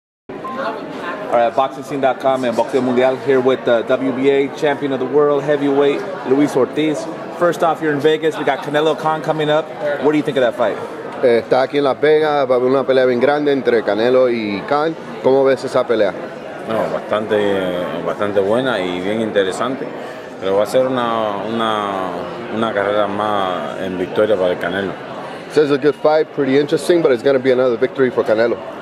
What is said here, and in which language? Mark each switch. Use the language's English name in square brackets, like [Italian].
[English] are at BoxingScene.com and Boxeo Mundial here with the WBA champion of the world, heavyweight, Luis Ortiz. First off, you're in Vegas. We got Canelo Khan coming up. What do you think of that fight? [Spanish] Está aquí en Las Vegas, va a haber una pelea bien grande entre Canelo y Khan. ¿Cómo ves esa pelea? No, bastante buena y bien interesante. Pero va a ser una carrera más en victoria para el Canelo. [English] So it's a good fight, pretty interesting, but it's going to be another victory for Canelo.